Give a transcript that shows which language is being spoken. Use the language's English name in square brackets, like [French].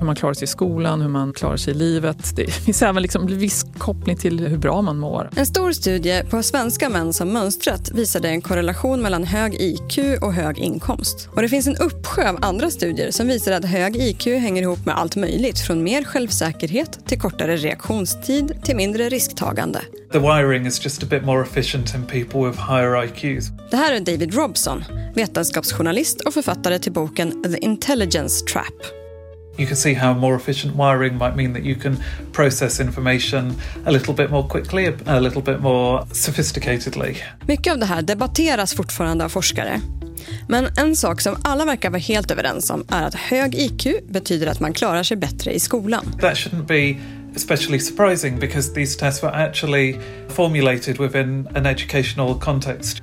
[Swedish] Hur man klarar sig i skolan, hur man klarar sig i livet. Det finns även liksom en viss koppling till hur bra man mår. En stor studie på svenska män som mönstrat visade en korrelation mellan hög IQ och hög inkomst. Och det finns en uppsjö av andra studier som visar att hög IQ hänger ihop med allt möjligt. Från mer självsäkerhet till kortare reaktionstid till mindre risktagande. [English] The wiring is just a bit more efficient in people with higher IQs. [Swedish] Det här är David Robson, vetenskapsjournalist och författare till boken The Intelligence Trap. [English] You can see how more efficient wiring might mean that you can process information a little bit more quickly, a little bit more sophisticatedly. [Swedish] Mycket av det här debatteras fortfarande av forskare. Men en sak som alla verkar vara helt överens om är att hög IQ betyder att man klarar sig bättre i skolan. [English] That shouldn't be especially surprising because these tests were actually formulated within an educational context.